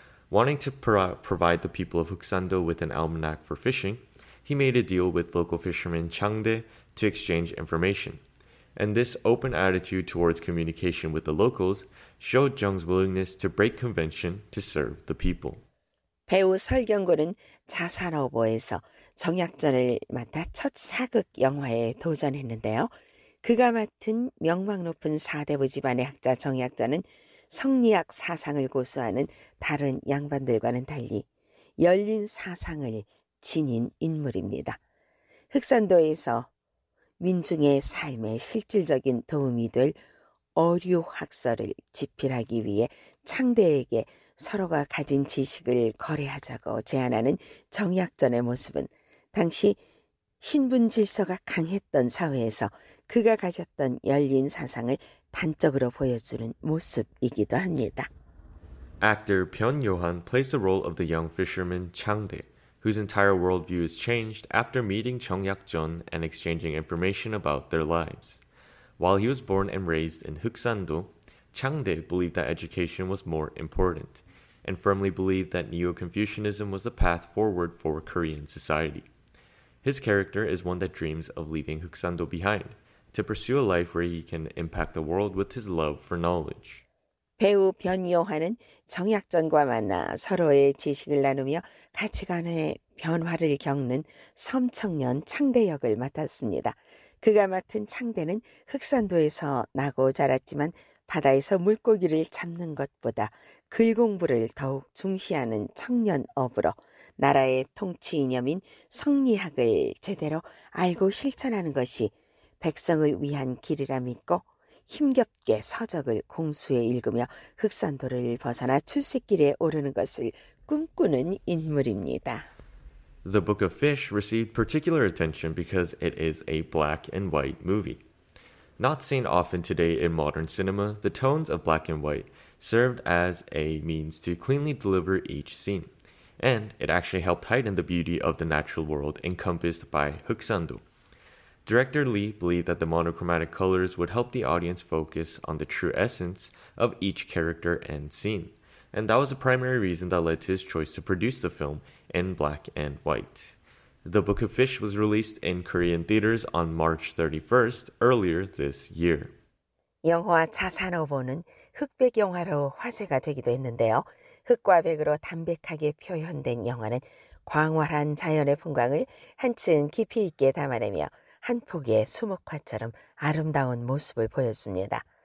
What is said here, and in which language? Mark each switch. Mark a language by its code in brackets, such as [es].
[en] Wanting to provide the people of Hukseondo with an almanac for fishing, he made a deal with local fisherman Changdae to exchange information. And this open attitude towards communication with the locals showed Jung's willingness to break convention to serve the people. [ko] 배우 설 경구는 자산어보에서 정약전을 맡아 첫 사극 영화에 도전했는데요. 그가 맡은 명망 높은 사대부 집안의 학자 정약전은 성리학 사상을 고수하는 다른 양반들과는 달리 열린 사상을 지닌 인물입니다. 흑산도에서 민중의 삶에 실질적인 도움이 될 어류학설을 집필하기 위해 창대에게 서로가 가진 지식을 거래하자고 제안하는 정약전의 모습은 당시 신분질서가 강했던 사회에서 그가 가졌던 열린 사상을 단적으로 보여주는 모습이기도 합니다. [en] Actor Pyeon Yo-han plays the role of the young fisherman Changdae, whose entire worldview is changed after meeting Chung Hyuk-jeon and exchanging information about their lives. While he was born and raised in Hukseondo, Changdae believed that education was more important, and firmly believed that Neo-Confucianism was the path forward for Korean society. His character is one that dreams of leaving Hukseondo behind, to pursue a life where he can impact the world with his love for knowledge. [ko] 배우 변 요한은 정약전과 만나 서로의 지식을 나누며 가치관의 변화를 겪는 섬청년 창대 역을 맡았습니다. 그가 맡은 창대는 흑산도에서 나고 자랐지만 바다에서 물고기를 잡는 것보다 글공부를 더욱 중시하는 청년 어부로 나라의 통치 이념인 성리학을 제대로 알고 실천하는 것이 백성을 위한 길이라 믿고 힘겹게 서적을 공수에 읽으며 흑산도를 벗어나 출세길에 오르는 것을 꿈꾸는 인물입니다. [en] The Book of Fish received particular attention because it is a black and white movie. Not seen often today in modern cinema, the tones of black and white served as a means to cleanly deliver each scene, and it actually helped heighten the beauty of the natural world encompassed by Hukseondo. Director Lee believed that the monochromatic colors would help the audience focus on the true essence of each character and scene, and that was the primary reason that led to his choice to produce the film in black and white. The Book of Fish was released in Korean theaters on March 31st, earlier this year. [ko] 영화 자산어보는 흑백 영화로 화제가 되기도 했는데요. 흑과 백으로 담백하게 표현된 영화는 광활한 자연의 풍광을 한층 깊이 있게 담아내며 한 폭의 수목화처럼 아름다운 모습을 보여줍니다.